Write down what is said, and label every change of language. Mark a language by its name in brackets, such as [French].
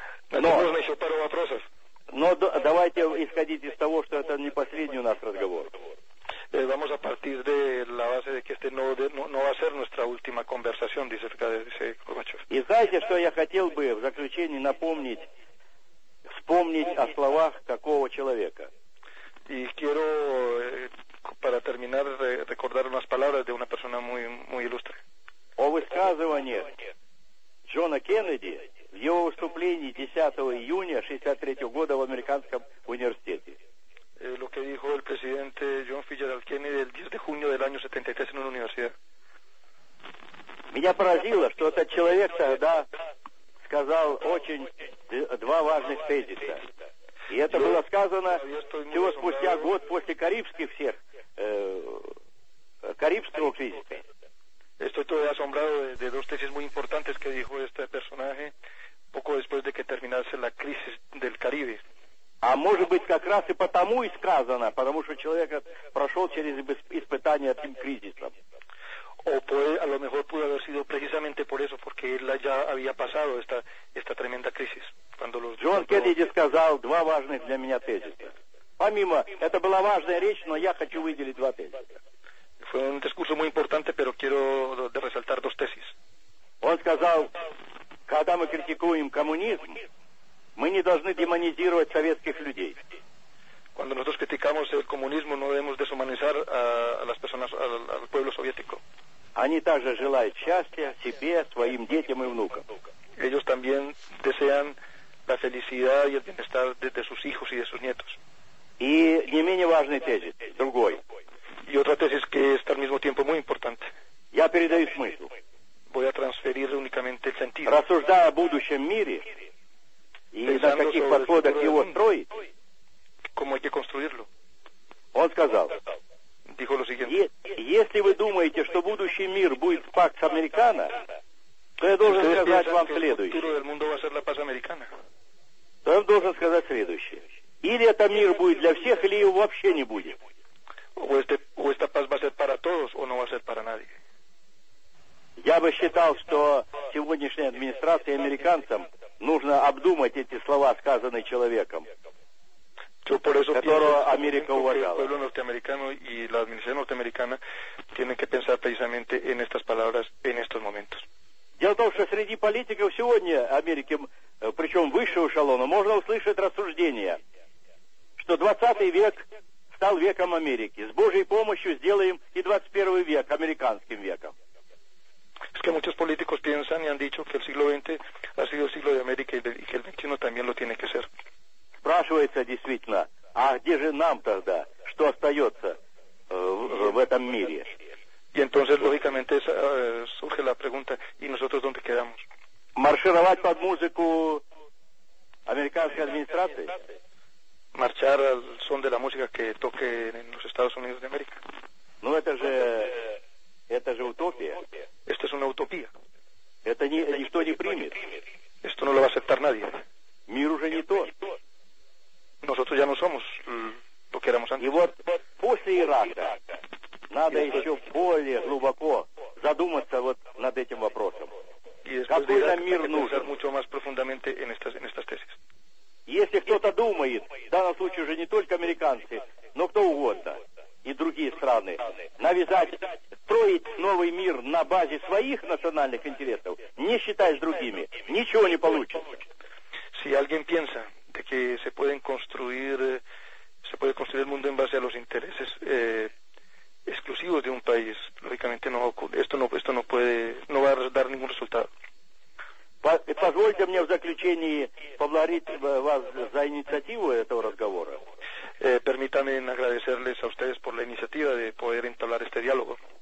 [Russian] Но нужно еще пару вопросов. Но давайте исходить из того, что это не последний у нас разговор. [Spanish] Vamos a partir de la base de que este no va a ser nuestra última conversación, dice Gorbachev. [Russian] И знаете, что я хотел бы в заключении напомнить, вспомнить о словах какого человека? [Spanish] Y quiero para terminar recordar unas palabras de una persona muy ilustre. [Russian] О высказывании Джона Кеннеди в его выступлении 10 июня 1963 года в американском университете. [Spanish] Lo que dijo el presidente John Fitzgerald Kennedy el 10 de junio del año 73 en una universidad. [Russian] Меня поразило, что этот человек тогда сказал очень два важных тезиса. И это было сказано всего спустя год после Карибского кризиса. [Spanish] Estoy todavía asombrado de dos tesis muy importantes que dijo este personaje poco después de que terminase la crisis del Caribe. [Russian] А может быть, как раз и потому и сказано, потому что человек прошел через испытание этим кризисом. [Spanish] O puede, a lo mejor pudo haber sido precisamente por eso, porque él ya había pasado esta tremenda crisis. [Russian] Джон Кеннеди сказал два важных для меня тезиса. Помимо, это была важная речь, но я хочу выделить два тезиса. [Spanish] Fue un discurso muy importante, pero quiero resaltar dos tesis. [Russian] Он сказал, когда мы критикуем коммунизм, мы не должны демонизировать советских людей. [Spanish] Cuando nosotros criticamos el comunismo, no debemos deshumanizar a las personas, al pueblo soviético. [Russian] Они также желают счастья себе, своим детям и внукам. [Spanish] Ellos también desean la felicidad y el bienestar de sus hijos y de sus nietos. [Russian] И не менее важный тезис, другой. [Spanish] Y otra tesis que es al mismo tiempo muy importante. [Russian] Я передаю смысл. [Spanish] Voy a transferir únicamente el sentido. [Russian] Рассуждая о будущем мире и на каких подходах его строить, [Spanish] cómo hay que construirlo. [Russian] Он сказал, [Spanish] dijo lo siguiente. [Russian] Если вы думаете, что будущий мир будет пакт американо, то я должен сказать вам следующее. [Spanish] El futuro del mundo va a ser la paz americana. [Russian] То я должен сказать следующее. Или это мир будет для всех, или его вообще не будет. [Spanish] O esta paz va a ser para todos o no va a ser para nadie. [Russian] Я бы считал, что сегодняшней администрации американцам нужно обдумать эти слова, сказанные человеком, которого Америка уважала. [Spanish] El pueblo norteamericano y la administración norteamericana tienen que pensar precisamente en estas palabras en estos momentos. [Russian] Дело в том, что среди политиков сегодня Америки, причем высшего эшелона, можно услышать рассуждения, что 20 век стал веком Америки. С Божьей помощью сделаем и 21 век американским веком. [Spanish] Es que muchos políticos piensan y han dicho que el siglo XX ha sido el siglo de América y que el XXI también lo tiene que ser. [Russian] Спрашивается действительно, а где же нам тогда, что остается в этом мире? [Spanish] Y entonces, lógicamente, surge la pregunta, ¿y nosotros dónde quedamos? [Russian] Маршировать под музыку американской администрации? [Spanish] Marchar al son de la música que toque en los Estados Unidos de América. [Russian] No, это же утопия. [Spanish] Esto es una utopía. [Russian] Это ni, никто не примет. [Spanish] Esto no lo va a aceptar nadie. [Russian] Мир уже не тот. [Spanish] Nosotros ya no somos lo que éramos antes. [Russian] Y вот после Ирака надо еще более глубоко задуматься вот над этим вопросом. Какой нам мир нужен? [Spanish] Mucho más profundamente en estas tesis. [Russian] Если кто-то думает, в данном случае уже не только американцы, но кто угодно, и другие страны, навязать, строить новый мир на базе своих национальных интересов, не считаясь другими, ничего не получится. Если кто-то думает, что [Spanish] se puede construir el mundo en base a los intereses exclusivos de un país, lógicamente no ocurre. Esto no va a dar ningún resultado. [Russian] Позвольте мне в заключении поблагодарить вас за инициативу этого разговора. [Spanish] Permítame agradecerles a ustedes por la iniciativa de poder entablar este diálogo.